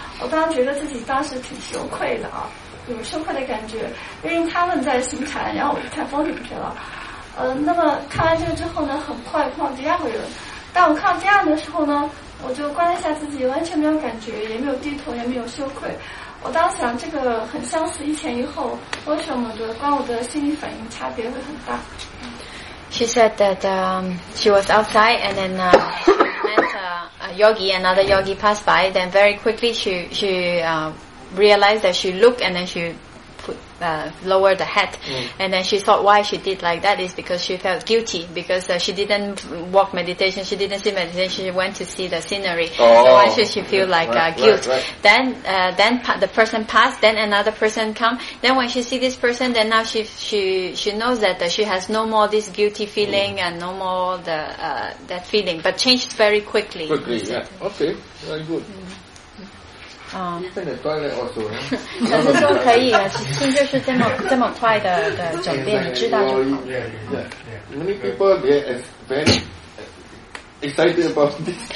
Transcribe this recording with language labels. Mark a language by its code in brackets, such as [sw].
[zh] 我当时觉得自己当时挺羞愧的啊，有羞愧的感觉，因为他们在行禅，然后我就看风景去了，那么看完这个之后呢，很快碰到第二个人，但我看到第二个的时候呢，我就关了一下自己，完全没有感觉，也没有低头，也没有羞愧。我当时想，这个很相似，一前一后，为什么的？关我的心理反应差别会很大。 [en] She said that she was outside and then met a yogi, another yogi passed by. Then very quickly she realized that she looked and then she lower the head, and then she thought why she did like that is because she felt guilty because she didn't walk meditation, she didn't see meditation, she went to see the scenery. Oh, so why should she feel like guilt? Right. Then the person passed, then another person come. Then when she see this person, then now she knows that she has no more this guilty feeling and no more that feeling, but changed very quickly. Quickly, yeah. Okay, very good. Oh. Even the toilet also, right? [zh] 但是说可以，心就是这么快的转变，你知道就好。 [en] Many people they are very excited about this.